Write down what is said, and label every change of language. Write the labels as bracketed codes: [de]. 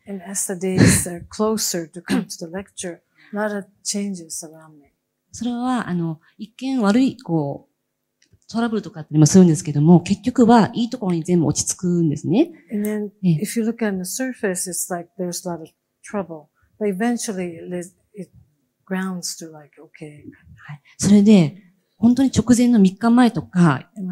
[en] And as the days are closer to come to the lecture, a lot of changes around me. [ja] それは、一見悪い、こう、トラブルとかってもするんですけども、結局はいいところに全部落ち着くんですね。 [en] And then, if you look on the surface, it's like there's a lot of trouble. But eventually, it grounds to like, okay. [ja] はい。それで、本当に直前の3日前とか、